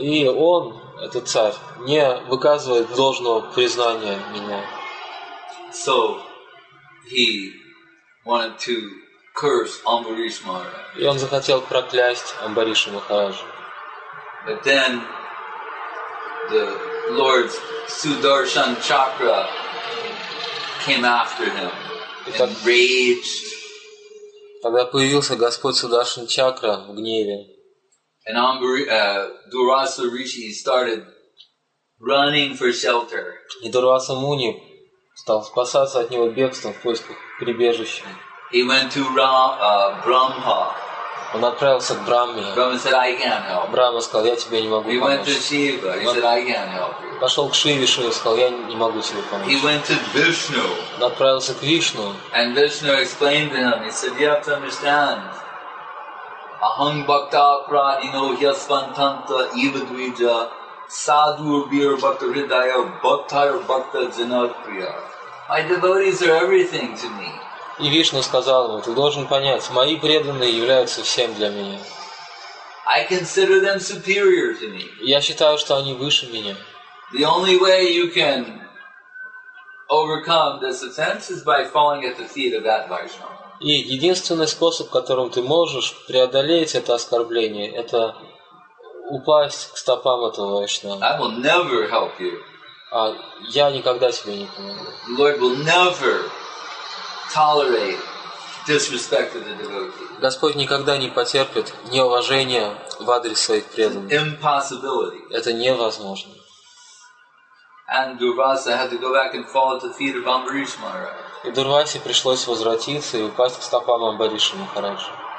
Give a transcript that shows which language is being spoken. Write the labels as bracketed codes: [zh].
[ru] И он, этот царь, не выказывает должного признания меня. [en] So he wanted to curse Ambarish Maharaj. [ru] И он захотел проклясть Амбариша Махараджа. [en] But then the Lord's Sudarshan Chakra came after him and raged. [ru] Тогда появился Господь Сударшан Чакра в гневе. [en] And Durvasa Rishi started running for shelter. [ru] И Дурваса Муни стал спасаться от него бегством в поисках прибежища. [en] He went to Brahma. [ru] Он отправился к Брахме. [en] Brahma said, "I can't help." [ru] Брахма сказал, "Я тебе не могу помочь." [en] He went to Shiva. He said, "I can't help." [ru] Пошел к Шиве, Шива сказал, "Я не могу тебе помочь." [en] He went to Vishnu. [ru] Он отправился к Вишну. [en] And Vishnu explained to him. He said, "You have to understand." [sa] Ahang bhakta pradino hyasvantanta ivadvija sadhur bir bhakta hridaya bhaktar bhakta janatriya. [en] My devotees are everything to me. [ru] И Вишну сказал ему, ты должен понять, мои преданные являются всем для меня. [en] I consider them superior to me. [ru] Я считаю, что они выше меня. [en] The only way you can overcome this offense is by falling at the feet of that Vaishnava. [ru] И единственный способ, которым ты можешь преодолеть это оскорбление, это упасть к стопам этого Вайшнава. [en] I will never help you. [ru] А я никогда тебе не помогу. [en] The Lord will never tolerate disrespect to the devotee. [ru] Господь никогда не потерпит неуважения в адрес своих преданных. [en] Impossibility. [ru] Это невозможно. [en] And Durvasa had to go back and fall at the feet of Ambarish Maharaj. [ru] И Дурвасе пришлось возвратиться и упасть к стопам Амбариша Махараджа.